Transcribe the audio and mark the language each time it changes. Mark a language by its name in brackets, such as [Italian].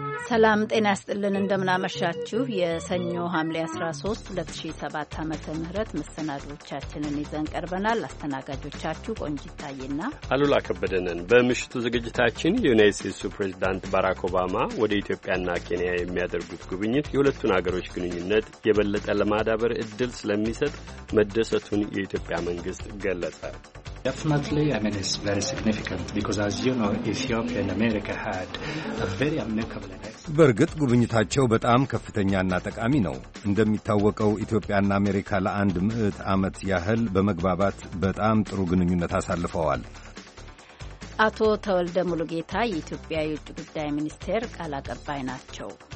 [Amharic] ሰላም ጤና ያስጥልን እንደምን አመሻችሁ። የሰኞ ሐምሌ 13 2007 ዓ.ም ምህረት መሰናዶቻችንን ይዘን ቀርበናል። አስተናጋጆቻችሁ ቆንጂታዬና አሉላ ከበደ ነን። በምሽቱ ዝግጅታችን የዩናይትድ ስቴትስ ፕሬዝዳንት ባራክ ኦባማ ወደ ኢትዮጵያና ኬንያ የሚያደርጉት ጉብኝት የሁለቱን አገሮች ግንኙነት የበለጠ ለማዳበር እድል ስለሚሰጥ መደሰቱን የኢትዮጵያ መንግስት ገለጸ። [English] Definitely, I mean, it's very significant because, as you know, Ethiopia and America had a very amicable relationship. [Amharic] በርግጥ ጉብኝታቸው በጣም ከፍተኛና ጠቃሚ ነው። እንደሚታወቀው ኢትዮጵያና አሜሪካ ለአንድ ምዕት ዓመት ያህል በመግባባት በጣም ጥሩ ግንኙነት አሳልፈዋል። አቶ ተወልደ ሙሉጌታ የኢትዮጵያ የውጭ ጉዳይ ሚኒስቴር ቃል አቀባይ ናቸው።